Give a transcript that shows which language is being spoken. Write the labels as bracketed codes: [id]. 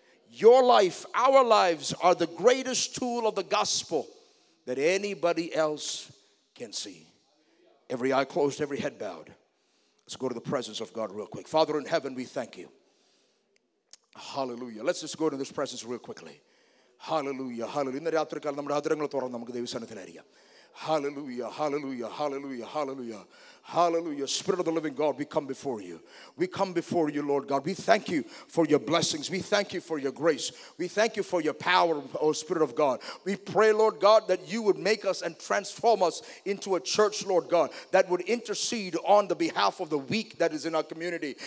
[en] Your life, our lives, are the greatest tool of the gospel that anybody else can see. Every eye closed, every head bowed. Let's go to the presence of God real quick. Father in heaven, we thank you. Hallelujah. Let's just go to this presence real quickly. Hallelujah, hallelujah. [ml] ഇന്ന് രാത്രിക്കാലം നമ്മുടെ ആദരങ്ങൾ തുറന്ന് നമുക്ക് ദൈവസ്ഥാനത്തിലായിരിക്കാം. [en] Hallelujah, hallelujah, hallelujah, hallelujah. Hallelujah. Spirit of the living God, we come before you. We come before you, Lord God. We thank you for your blessings. We thank you for your grace. We thank you for your power, O Spirit of God. We pray, Lord God, that you would make us and transform us into a church, Lord God, that would intercede on the behalf of the weak that is in our community.